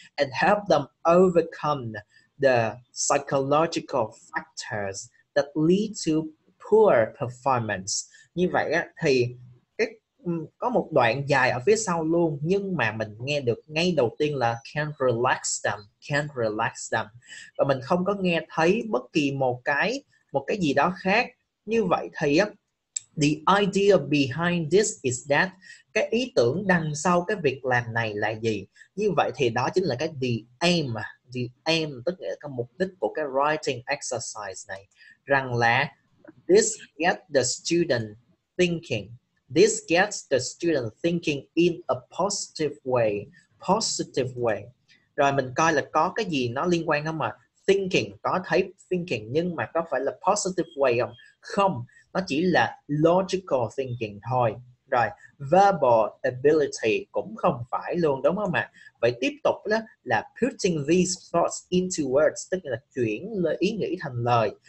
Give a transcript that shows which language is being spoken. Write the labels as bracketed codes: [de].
[en] And help them overcome the psychological factors that lead to poor performance. [vi] Như vậy á, thì có một đoạn dài ở phía sau luôn, nhưng mà mình nghe được ngay đầu tiên là [en] can relax them, [vi] và mình không có nghe thấy bất kỳ một cái gì đó khác. Như vậy thì [en] the idea behind this is that, [vi] cái ý tưởng đằng sau cái việc làm này là gì. Như vậy thì đó chính là cái the aim tức nghĩa là cái mục đích của cái writing exercise này, rằng là [en] this gets the student thinking. This gets the student thinking in a positive way. Positive way. [vi] Rồi mình coi là có cái gì nó liên quan không ạ? Thinking, có thấy thinking, nhưng mà có phải là [en] positive way [vi] không? Không, nó chỉ là [en] logical thinking [vi] thôi. Rồi, verbal ability cũng không phải luôn, đúng không ạ? Vậy tiếp tục đó là [en] putting these thoughts into words, [vi] tức là chuyển ý nghĩ thành lời.